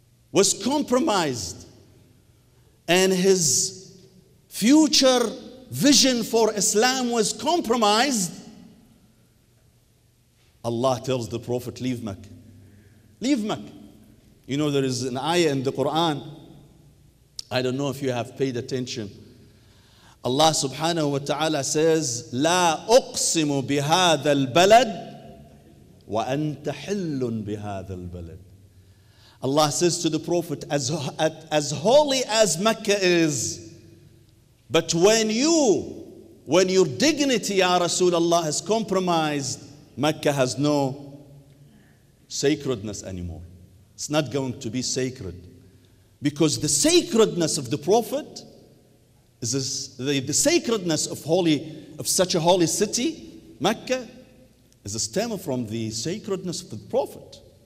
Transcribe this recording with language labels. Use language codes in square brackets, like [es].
[en] was compromised and his future vision for Islam was compromised, Allah tells the Prophet, leave Mecca. Leave Mecca. You know, there is an ayah in the Quran. I don't know if you have paid attention. [ar] Allah subhanahu wa ta'ala says, لا أقسم بهذا البلد وأنت حل بهذا البلد. [en] Allah says to the Prophet, as holy as Mecca is, but when your dignity, ya Rasulullah, has compromised, Mecca has no sacredness anymore. It's not going to be sacred. Because the sacredness of the Prophet is this, the sacredness of holy of such a holy city, Mecca, is a stem from the sacredness of the Prophet.